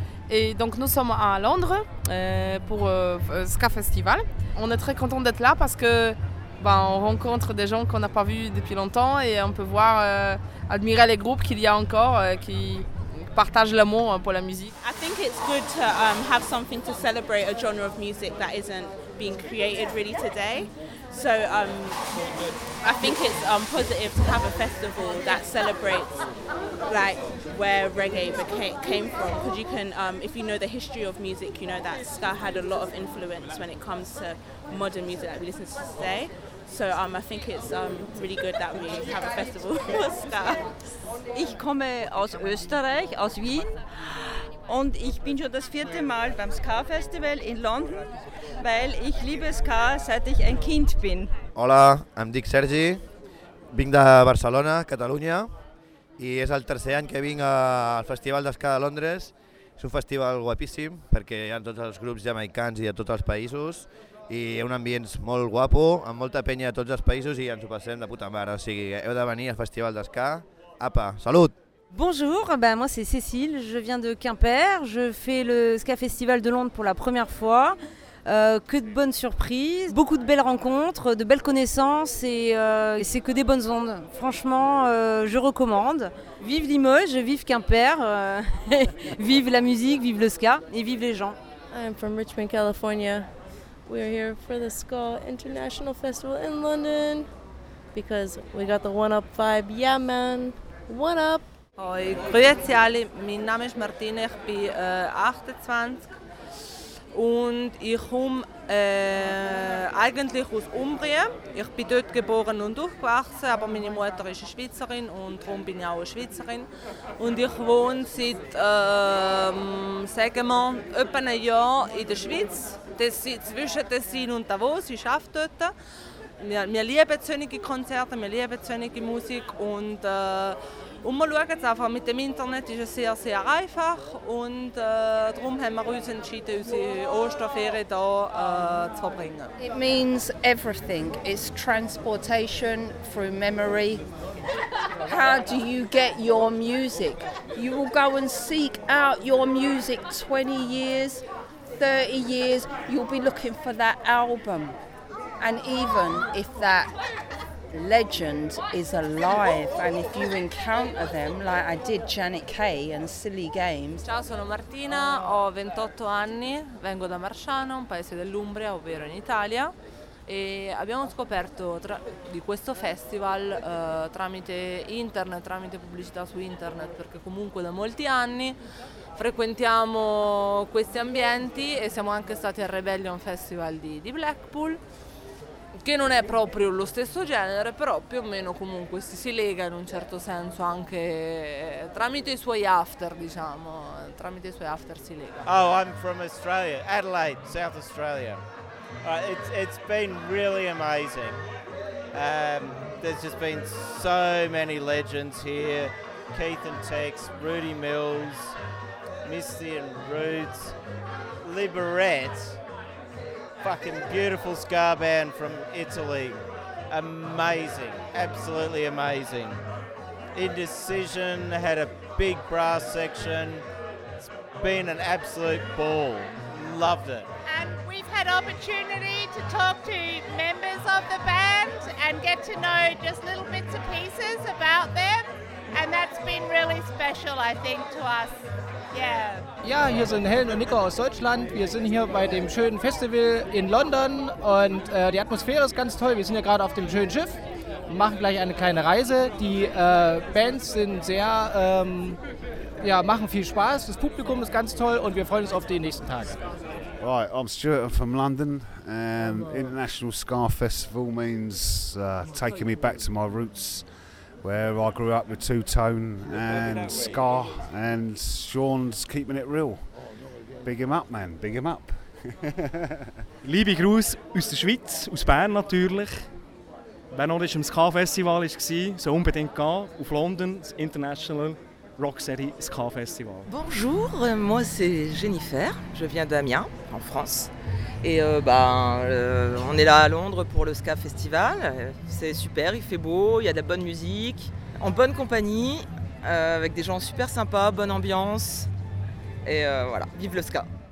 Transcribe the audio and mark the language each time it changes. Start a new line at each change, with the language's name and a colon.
French: Et donc nous sommes à Londres pour Ska Festival. On est très contents d'être là parce que on rencontre des gens qu'on n'a pas vus depuis longtemps et on peut voir, admirer les groupes qu'il y a encore qui partagent l'amour pour la musique.
English: I think it's good to have something to celebrate a genre of music that isn't being created really today. So I think it's positive to have a festival that celebrates like where reggae came from. Because you can, if you know the history of music, you know that ska had a lot of influence when it comes to modern music that we listen to today. So I think it's really good that we have a festival for ska.
German: Ich komme aus Österreich, aus Wien. Und ich bin schon das vierte Mal beim Ska Festival in London, weil ich liebe Ska seit ich ein Kind bin.
Catalan: Hola, em dic Sergi. Vinc de Barcelona, Catalunya, i és el tercer any que vinc al Festival d'Ska de Londres. És un festival guapíssim perquè hi ha tots els grups jamaicans i de tots els països i hi ha un ambient molt guapo, amb molta penya de tots els països i ens ho passem de puta mare, o sigui, heu de venir al Festival d'Ska. Apa, salut.
French: Bonjour, moi c'est Cécile, je viens de Quimper, je fais le Ska Festival de Londres pour la première fois. Que de bonnes surprises, beaucoup de belles rencontres, de belles connaissances et c'est que des bonnes ondes. Franchement, je recommande. Vive Limoges, vive Quimper, vive la musique, vive le ska et vive les gens.
English: I'm from Richmond, California. We're here for the Ska International Festival in London because we got the one up vibe. Yeah man, one up.
German: Hoi, grüezi alle, mein Name ist Martina, ich bin 28 und ich komme eigentlich aus Umbrien. Ich bin dort geboren und aufgewachsen, aber meine Mutter ist eine Schweizerin und darum bin ich auch eine Schweizerin. Und ich wohne seit, sagen wir, etwa einem Jahr in der Schweiz, zwischen Tessin und Davos, ich arbeite dort. Wir lieben solche Konzerte, wir lieben solche Musik und und wir schauen es einfach, mit dem Internet ist es sehr, sehr einfach und darum haben wir uns entschieden, unsere Osterferien hier zu verbringen.
English: It means everything. It's transportation through memory. How do you get your music? You will go and seek out your music 20 years, 30 years, you'll be looking for that album. And even if that legend is alive, and if you encounter them, like I did Janet Kay and Silly Games.
Italian: Ciao, sono Martina, ho 28 anni, vengo da Marciano, un paese dell'Umbria, ovvero in Italia, e abbiamo scoperto di questo festival tramite internet, tramite pubblicità su internet, perché comunque da molti anni frequentiamo questi ambienti e siamo anche stati al Rebellion Festival di Blackpool, che non è proprio lo stesso genere, però più o meno comunque si lega in un certo senso anche tramite i suoi after, diciamo, tramite i suoi after si lega.
English: Oh, I'm from Australia, Adelaide, South Australia. It's been really amazing. There's just been so many legends here. Keith and Tex, Rudy Mills, Misty and Roots, Liberette. Fucking beautiful ska band from Italy. Amazing, absolutely amazing. Indecision had a big brass section. It's been an absolute ball. Loved it. And we've had opportunity to talk to members of the band and get to know just little bits and pieces about them. And that's been really special, I think, to us.
German: Ja, hier sind Helen und Nico aus Deutschland. Wir sind hier bei dem schönen Festival in London und die Atmosphäre ist ganz toll. Wir sind ja gerade auf dem schönen Schiff und machen gleich eine kleine Reise. Die Bands sind sehr, machen viel Spaß. Das Publikum ist ganz toll und wir freuen uns auf den nächsten Tag.
English: Right, I'm Stuart, I'm from London. International Ska Festival means taking me back to my roots, where I grew up with Two-Tone and ska, and Sean's keeping it real. Big him up, man, big him up.
German: Liebe Grüße aus der Schweiz, aus Bern natürlich. Wer noch nicht im Ska-Festival war, soll unbedingt gehen, auf London, das International Rocksteady Ska Festival.
French: Bonjour, moi c'est Jennifer, je viens d'Amiens, en France. Et on est là à Londres pour le Ska Festival. C'est super, il fait beau, il y a de la bonne musique, en bonne compagnie, avec des gens super sympas, bonne ambiance. Et voilà, vive le Ska!